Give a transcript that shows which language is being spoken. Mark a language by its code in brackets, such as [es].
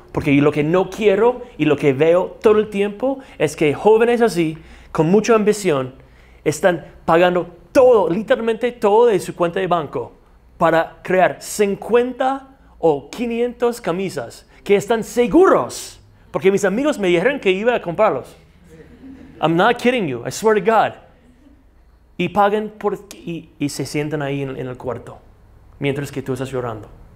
[es] Porque lo que no quiero y lo que veo todo el tiempo es que jóvenes así, con mucha ambición, están pagando todo, literalmente todo de su cuenta de banco para crear 50 o 500 camisas que están seguros. Porque mis amigos me dijeron que iba a comprarlos. [en] I'm not kidding you. I swear to God. [es] Y pagan por y se sientan ahí en el cuarto mientras que tú estás llorando.